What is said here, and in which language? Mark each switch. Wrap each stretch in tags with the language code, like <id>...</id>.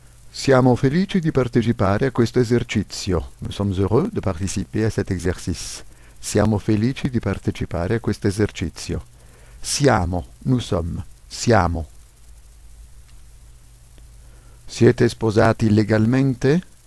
<it>Siamo felici di partecipare a questo esercizio.</it> <fr>Nous sommes heureux de participer à cet exercice.</fr> <it>Siamo felici di partecipare a questo esercizio. Siamo,</it> <fr>nous sommes,</fr> <it>siamo. Siete sposati legalmente?</it>